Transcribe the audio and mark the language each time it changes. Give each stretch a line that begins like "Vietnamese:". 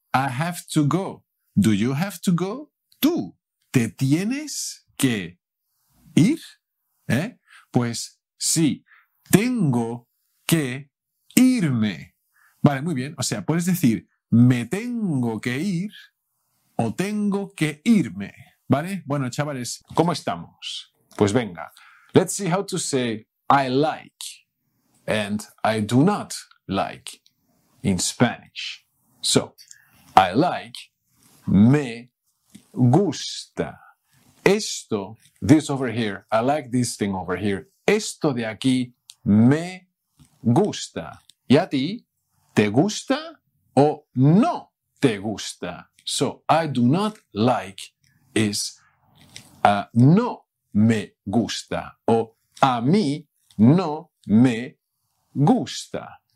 English: I have to go. Do you have to go?
Spanish: Tú te tienes que ir. Pues sí, tengo que irme. Vale, muy bien. O sea, puedes decir me tengo que ir o tengo que irme. Vale, bueno, chavales, ¿cómo estamos? Pues venga,
English: let's see how to say I like and I do not like in Spanish. So, I like,
Spanish: me gusta. Esto,
English: this over here, I like this thing over here.
Spanish: Esto de aquí, me gusta. ¿Y a ti, te gusta o no te gusta?
English: So, I do not like is
Spanish: no me gusta o a mí no me gusta.